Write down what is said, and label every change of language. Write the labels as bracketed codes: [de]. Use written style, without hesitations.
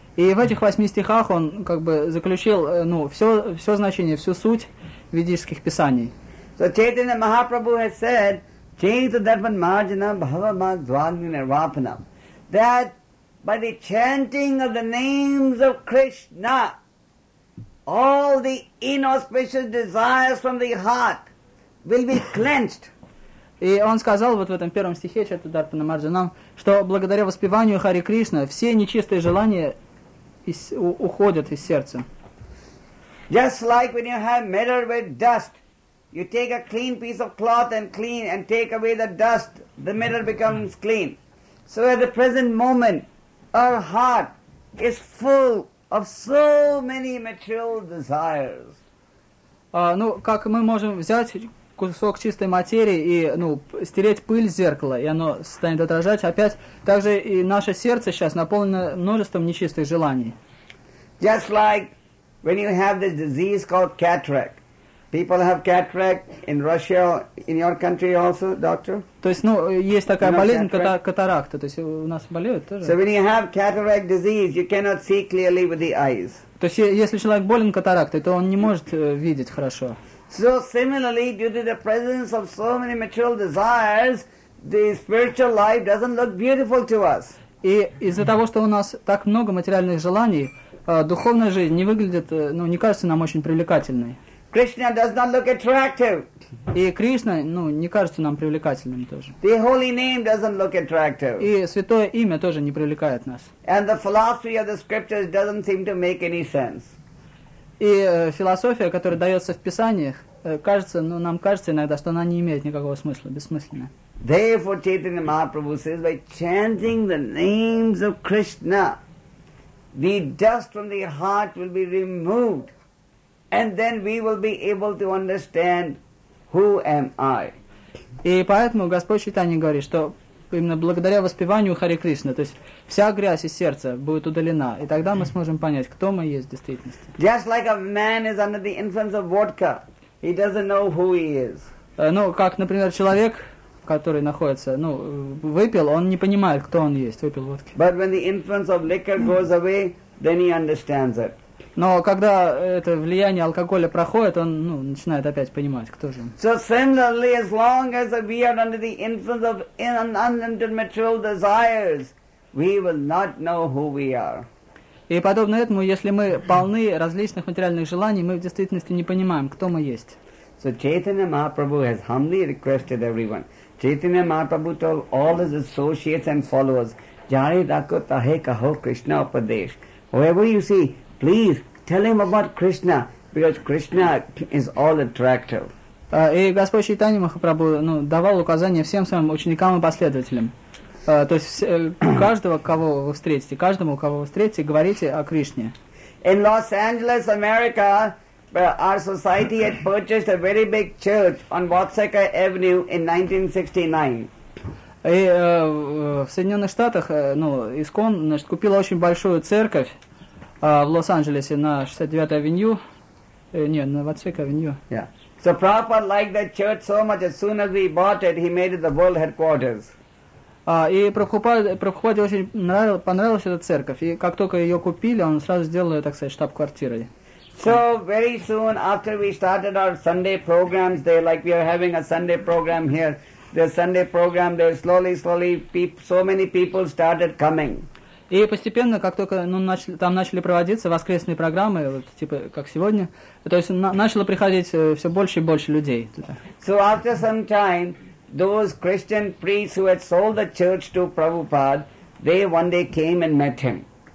[ru] И в этих 8 стихах он заключил все значение, всю суть ведических писаний. [en] So Chaitanya Mahaprabhu has said, [sa] Chaitanya Dharman Marjana Bhava Madhvagnina Vapanam, [en] that by the chanting of the names of Krishna, all the inauspicious desires from the heart will be cleansed. [ru] И он сказал в этом первом стихе Чайтанья Марджанам, что благодаря воспеванию Харе Кришна все нечистые желания уходят из сердца. [en] Just like when you have mirror with dust, you take a clean piece of cloth and clean and take away the dust, the mirror becomes clean. So at the present moment, our heart is full of so many material desires. [ru] Как мы можем взять кусок чистой материи и стереть пыль с зеркала, и оно станет отражать опять. Также и наше сердце сейчас наполнено множеством нечистых желаний. [en] Just like when you have this disease called cataract. People have cataract in Russia, in your country also, doctor? [ru] То есть, есть такая болезнь, катаракта, то есть у нас болеют тоже. [en] So when you have cataract disease, you cannot see clearly with the eyes. [ru] То есть, если человек болен катарактой, то он не может видеть хорошо. [en] So similarly, due to the presence of so many material desires, the spiritual life doesn't look beautiful to us. [ru] И из-за того, что у нас так много материальных желаний, духовная жизнь не выглядит, не кажется нам очень привлекательной. [en] Krishna does not look attractive. [ru] И Кришна, не кажется нам привлекательным тоже. [en] The holy name doesn't look attractive. [ru] И святое имя тоже не привлекает нас. [en] And the philosophy of the scriptures doesn't seem to make any sense. [ru] И философия, которая дается в писаниях, нам кажется иногда, что она не имеет никакого смысла, бессмысленная. [en] Therefore, Chaitanya Mahaprabhu says, by chanting the names of Krishna, the dust from the heart will be removed, and then we will be able to understand who am I. [ru] И поэтому Господь Чайтанья говорит, что именно благодаря воспеванию Харе Кришны, то есть вся грязь из сердца будет удалена, и тогда мы сможем понять, кто мы есть в действительности. [en] Just like a man is under the influence of vodka, he doesn't know who he is. [ru] Как, например, человек, который находится, выпил, он не понимает, кто он есть, выпил водки. [en] But when the influence of liquor goes away, then he understands it. [ru] Но когда это влияние алкоголя проходит, он начинает опять понимать, кто же он. [en] So similarly, as long as we are under the influence of unlimited material desires, we will not know who we are. [ru] И подобно этому, если мы полны различных материальных желаний, мы в действительности не понимаем, кто мы есть. [en] So Chaitanya Mahaprabhu has humbly requested everyone. Chaitanya Mahaprabhu told all his associates and followers, [bn] Jare rakho tahe kaho Krishna upadesh. [en] Whoever you see, please tell him about Krishna, because Krishna is all attractive. [ru] И Господь Чайтанья Махапрабху давал указания всем своим ученикам и последователям. То есть каждого, кого вы встретите, говорите о Кришне. [en] In Los Angeles, America, our society had purchased a very big church on Watsaka Avenue in 1969. [ru] И в Соединенных Штатах, ну, ИСККОН, значит, купила очень большую церковь в Лос-Анджелесе на 69-й авеню. Нет, на 22-й авеню. [en] Yeah. So Prabhupada liked that church so much, as soon as he bought it, he made it the world headquarters. [ru] И Прабхупаде очень понравилась эта церковь, и как только ее купили, он сразу сделал ее, так сказать, штаб-квартирой. [en] So very soon after we started our Sunday programs, they like we are having a Sunday program here. The Sunday program, there slowly, slowly, so many people started coming. [ru] И постепенно, как только ну, там начали проводиться воскресные программы, вот, типа как сегодня, то есть начало приходить все больше и больше людей туда. [en] So after some time, those Christian priests who had sold the church to Prabhupada, they one day came and met him.